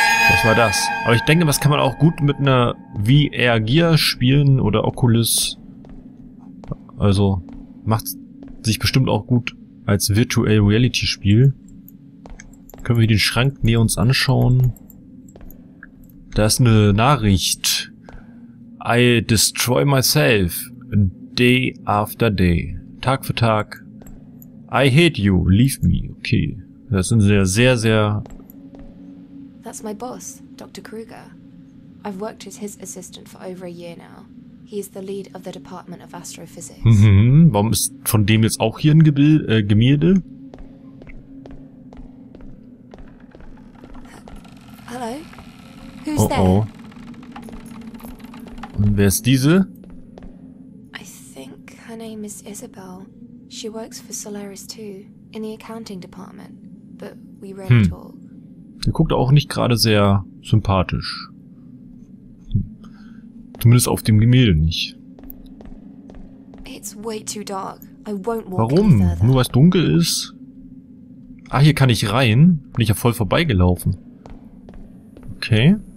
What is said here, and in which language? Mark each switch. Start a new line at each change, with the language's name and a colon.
German: Was war das? Aber ich denke, das kann man auch gut mit einer VR Gear spielen oder Oculus. Also, macht sich bestimmt auch gut. Als Virtual Reality Spiel. Können wir den Schrank näher uns anschauen? Da ist eine Nachricht.
English: I destroy myself day after day.
German: Tag für Tag.
English: I hate you, leave me. Okay.
German: Das sind sehr, sehr, sehr.
English: That's my boss, Dr. Kruger. I've worked as his assistant for over a year now. He is the lead of the Department of Astrophysics.
German: Warum ist von dem jetzt auch hier ein Gemälde? Hallo? Oh. Und wer ist diese?
English: I think her name is Isabel. She works for Solaris too, in the accounting department. But we rarely talk.
German: Sie guckt auch nicht gerade sehr sympathisch. Zumindest auf dem Gemälde nicht.
English: It's way too dark. I won't walk.
German: Warum? Nur weil es dunkel ist? Ah, hier kann ich rein. Bin ich ja voll vorbeigelaufen. Okay.